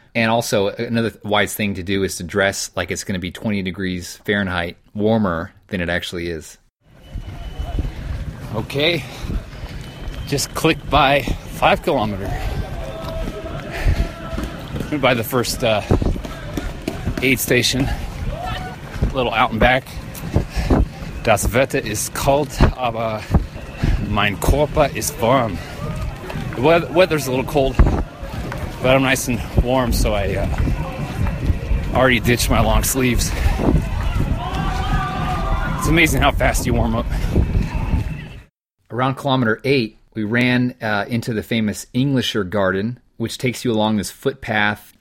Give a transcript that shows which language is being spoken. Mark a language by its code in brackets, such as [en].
[en] And also another wise thing to do is to dress like it's going to be 20 degrees Fahrenheit warmer than it actually is. Okay. Just clicked by 5 kilometer. Went by the first aid station. A little out and back. [de] Das Wetter ist kalt, aber mein Körper ist warm. [en] The weather's a little cold, but I'm nice and warm, so I already ditched my long sleeves. It's amazing how fast you warm up. Around kilometer 8, we ran into the famous Englischer Garden, which takes you along this footpath.